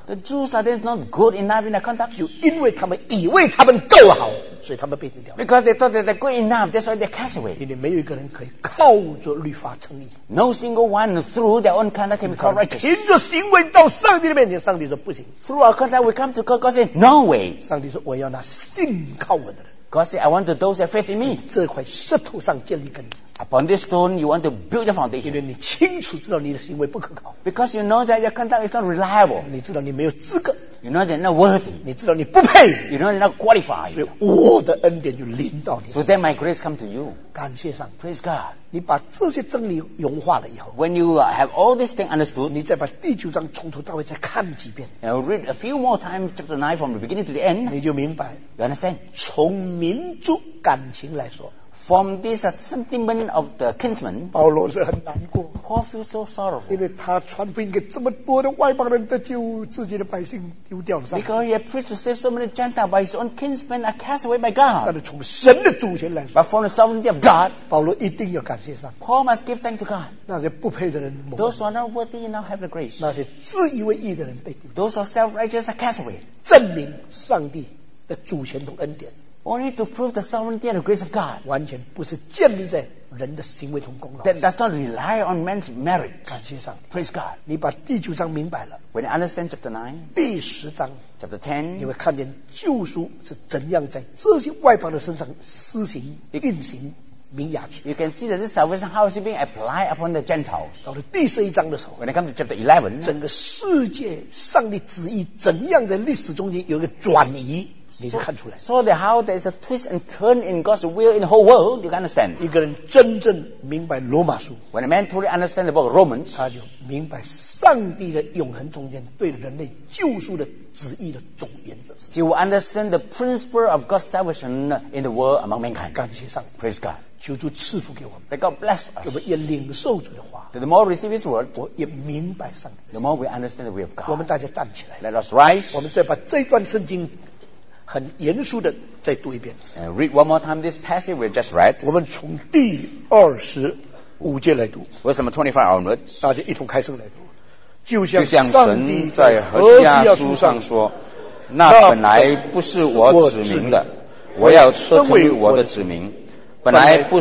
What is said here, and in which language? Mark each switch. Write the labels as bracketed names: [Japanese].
[English] ？The Jews are not good enough in their conduct， [Chinese] 就因为他们以为他们够好。所以他们被丢掉。 [English] Because they thought that they're good enough, that's why they cast away. [Chinese] 因为没有一个人可以靠着律法称义。 [English] No single one through their own conduct can be called righteous. [Chinese] 凭着行为到上帝的面前，上帝说不行。 [English] Through our conduct, we come to God. God said, "No way." [Chinese] 上帝说我要那信靠我的人。 [English] God said, "I want those that faith in me." [Chinese] 这块石头上建立根基。 [English] Upon this stone, you want to build a foundation. [Chinese] 因为你清楚知道你的行为不可靠。 [English] Because you know that your conduct is not reliable. [Chinese] 你知道你没有资格。 [English] You know they're not worthy. [Chinese] 你知道你不配。 [English] You know they're not qualified. [Chinese] 所以我的恩典就临到你。 [English] So then my grace come to you. [Chinese] 感谢上。 [English] Praise God. [Chinese] 你把这些真理融化了以后。 [English] When you have all these things understood. [Chinese] 你再把第九章从头到尾再看几遍。 [English] And I'll read a few more times chapter 9 from the beginning to the end. [Chinese] 你就明白。 [English] You understand? [Chinese] 从民族感情来说。 [English] From this sentiment of the kinsman, [Chinese] 保罗是很难过 [English] Paul feels so sorrowful. [Chinese] 因为他传福音给这么多的外邦人得救，自己的百姓丢掉了。 [English] Because he preached to save so many Gentiles, but his own kinsmen are cast away by God. [Chinese] 但是从神的主权来说 [English] But from the sovereignty of God, [Chinese] 保罗一定要感谢上 [English] Paul must give thanks to God. [Chinese] 那些不配的人 [English] Those who are not worthy enough have the grace. [Chinese] 那些自以为义的人被 [English] Those who are self-righteous are cast away. [Chinese] 证明上帝的主权和恩典 [English] Only to prove the sovereignty and the grace of God. [Chinese] 完全不是建立在人的行为和功劳。 [English] That does not rely on man's merit. [Chinese] 感谢上帝。 [English] Praise God. [Chinese] 你把第九章明白了。 [English] When you understand chapter 9. [Chinese] 第十章。 [English] Chapter 10. [Chinese] 你会看见救赎是怎样在这些外邦的身上施行、运行、明雅起。 [English] You can see that this salvation how is being applied upon the Gentiles. [Chinese] 到了第十一章的时候。 [English] When it comes to chapter 11. [Chinese] 整个世界上帝旨意怎样在历史中间有一个转移。你就看出来 [English] so that how there is a twist and turn in God's will in the whole world you can understand [Chinese] 一个人真正明白罗马书 [English] when a man truly understands the book of Romans [Chinese] 他就明白上帝的永恒中间对人类救赎的旨意的总原则 [English] he will understand the principle of God's salvation in the world among mankind [Chinese] 感谢上 [English] praise God [Chinese] 求主赐福给我们 [English] that God bless us [Chinese] 我们也领受主的话 [English] that the more we receive his word [Chinese] 我也明白上帝 [English] the more we understand the will of God [Chinese] 我们大家站起来 [English] let us rise [Chinese] 我们再把这段圣经很严肃的再读一遍。 [English] Read one more time this passage we just read. [Chinese] 我们从第二十五节来读。为什么 [English] 25 onwards? [Chinese] 大家一同开声来读。就像上帝在何西亚书上说，那本来不是我子民的，我要称为我的子民；本来不